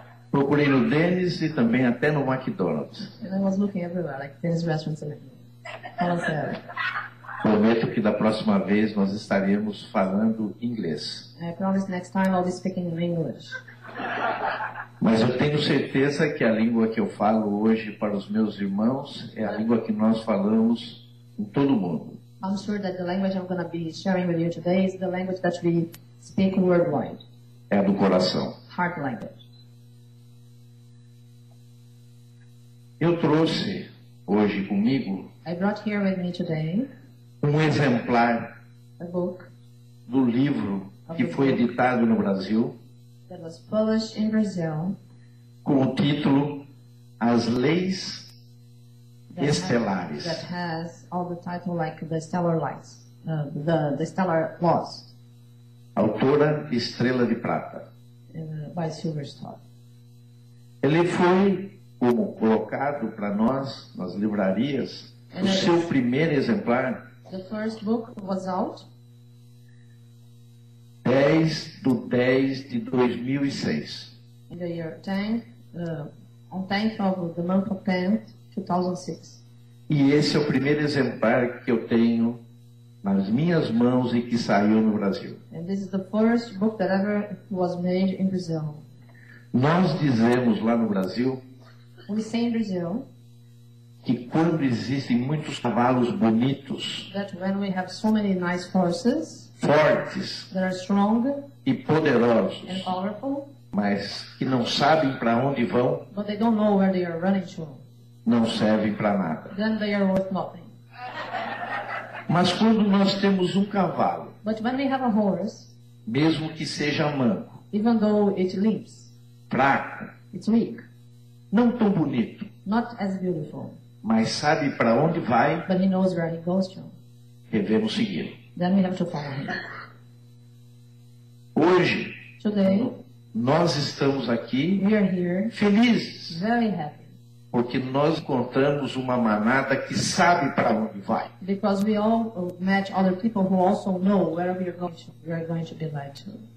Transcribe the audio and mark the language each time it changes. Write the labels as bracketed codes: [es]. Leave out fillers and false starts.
[pt] Procurei no Denny's e também até no McDonald's. [en] And I was looking everywhere, like Denny's restaurants and everything. [pt] Prometo que da próxima vez nós estaremos falando inglês. [en] I promise next time I'll be speaking in English. [pt] Mas eu tenho certeza que a língua que eu falo hoje para os meus irmãos é a língua que nós falamos em todo o mundo. [en] I'm sure that the language I'm going to be sharing with you today is the language that we speak worldwide. [pt] É do coração. [en] Heart language. [pt] Eu trouxe hoje comigo [en] I brought here with me today [pt] um exemplar [en] a book [pt] do livro que foi editado no Brasil [en] that was published in Brazil [pt] com o título As Leis Estelares. [en] That has all the title like the stellar lights, the stellar laws. [pt] Autora Estrela de Prata. [en] By SilverStar. [pt] Ele foi como colocado para nós nas livrarias and o seu primeiro exemplar. [en] The first book was out. [pt] 10/10/2006. [en] In the year 10, on 10th of the month of 10th. 2006. [pt] E esse é o primeiro exemplar que eu tenho nas minhas mãos e que saiu no Brasil. [en] And this is the first book that ever was made in Brazil. [pt] Nós dizemos lá no Brasil, [en] we say in Brazil [pt] que quando existem muitos cavalos bonitos, [en] that when we have so many nice horses, [pt] fortes, [en] that are strong [pt] e poderosos, [en] and powerful, [pt] mas que não sabem para onde vão, [en] but they don't know where they are running to. [pt] Não servem para nada. [en] Then they are worth nothing. [pt] Mas quando nós temos um cavalo, [en] but when we have a horse, [pt] mesmo que seja manco, [en] even though it limps, [pt] fraco, [en] it's weak, [pt] não tão bonito, [en] not as beautiful, [pt] mas sabe para onde vai, [en] but he knows where he goes to, [pt] devemos segui-lo. [en] Then we have to follow him. [pt] Hoje, [en] today, [pt] nós estamos aqui, [en] we are here, [pt] felizes, [en] very happy. [pt] Porque nós encontramos uma manada que sabe para onde vai. [en] Because we all match other people who also know where we are going to be led to.